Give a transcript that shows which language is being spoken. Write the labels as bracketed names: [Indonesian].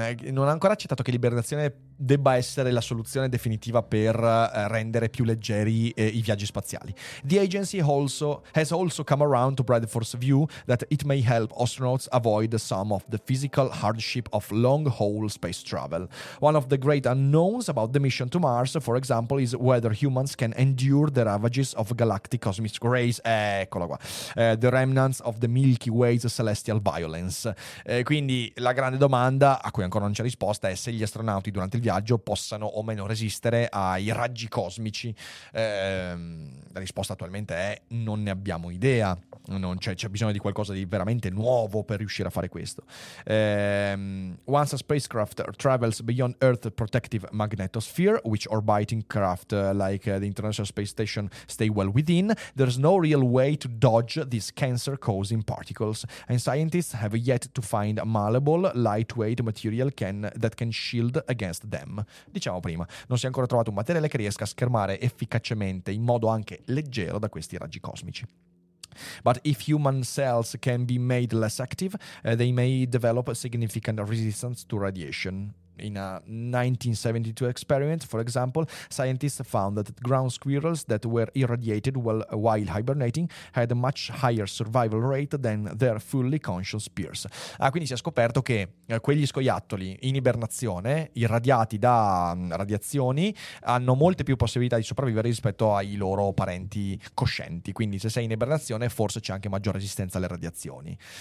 [Italian] Non ha ancora accettato che l'ibernazione debba essere la soluzione definitiva per rendere più leggeri i viaggi spaziali. [English] The agency also has also come around to Bradford's view that it may help astronauts avoid some of the physical hardship of long-haul space travel. One of the great unknowns about the mission to Mars, for example, is whether humans can endure the ravages of galactic cosmic rays. [Italian] Eccolo qua. [English] The remnants of the Milky Way's celestial violence. [Italian] Quindi la grande domanda a cui ancora non c'è risposta è se gli astronauti durante il viaggio possano o meno resistere ai raggi cosmici. La risposta attualmente è: non ne abbiamo idea. Non c'è, c'è bisogno di qualcosa di veramente nuovo per riuscire a fare questo. [English] Once a spacecraft travels beyond Earth's protective magnetosphere, which orbiting craft like the International Space Station stay well within, there's no real way to dodge these cancer-causing particles, and scientists have yet to find a malleable, lightweight material that can shield against them. [Italian] Diciamo prima, non si è ancora trovato un materiale che riesca a schermare efficacemente, in modo anche leggero, da questi raggi cosmici. [English] But if human cells can be made less active, they may develop a significant resistance to radiation. In a 1972 experiment, for example, scientists found that ground squirrels that were irradiated while hibernating had a much higher survival rate than their fully conscious peers. [Italian] Ah, quindi si è scoperto che quegli scoiattoli in ibernazione, irradiati da radiazioni, hanno molte più possibilità di sopravvivere rispetto ai loro parenti coscienti. Quindi se sei in ibernazione, forse c'è anche maggior resistenza alle radiazioni.